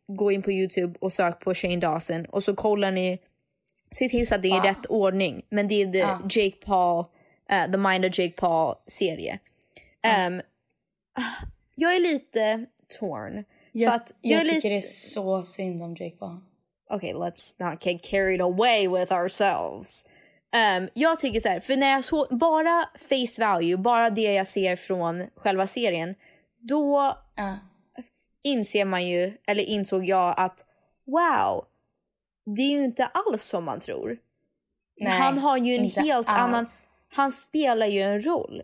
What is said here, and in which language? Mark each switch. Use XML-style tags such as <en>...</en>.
<sv>gå in på YouTube och sök på Shane Dawson. Och så kollar ni, se till så att det är rätt ordning. Men det är The Jake Paul, The Mind of Jake Paul-serie. Jag är lite torn. Jag tycker det är så synd om Jake Paul.</sv> <en>Okay, let's not get carried away with ourselves.</en> <sv>Jag tycker så här, för när jag såg bara face value, bara det jag ser från själva serien, då inser man ju, eller insåg jag att wow, det är ju inte alls som man tror. Nej, han har ju en helt annan, han spelar ju en roll.</sv>